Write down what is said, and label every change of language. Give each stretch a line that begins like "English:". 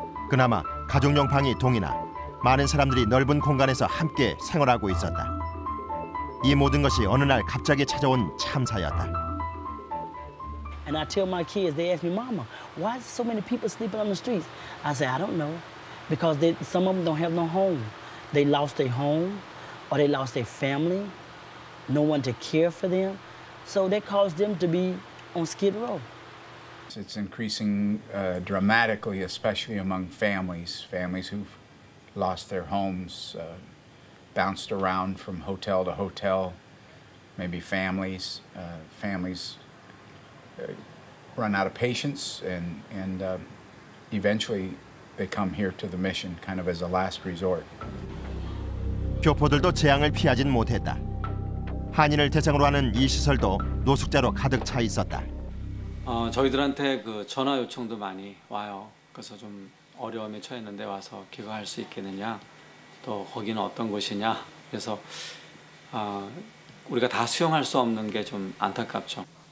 Korean: 그나마 가족용 방이 동이나 많은 사람들이 넓은 공간에서 함께 생활하고 있었다. 이 모든 것이 어느 날 갑자기 찾아온 참사였다.
English: And I tell my kids, they ask me, Mama, why is so many people sleeping on the streets? I say, I don't know. Because some of them don't have no home. They lost their home, or they lost their family. No one to care for them. So that caused them to be on skid row. It's increasing dramatically, especially among families. Families who've lost their homes, bounced around from hotel to hotel. Maybe families, run out of patience and eventually they come here to the mission kind of as a last resort.
Korean: 교포들도 재앙을 피하진 못했다. 한인을 대상으로 하는 이 시설도 노숙자로 가득 차 있었다. 저희들한테 그 전화 요청도 많이 와요. 그래서 좀 어려움에 처했는데 와서 기거할 수 있겠느냐? 또 거기는 어떤 곳이냐? 그래서 우리가 다 수용할 수 없는 게 좀 안타깝죠.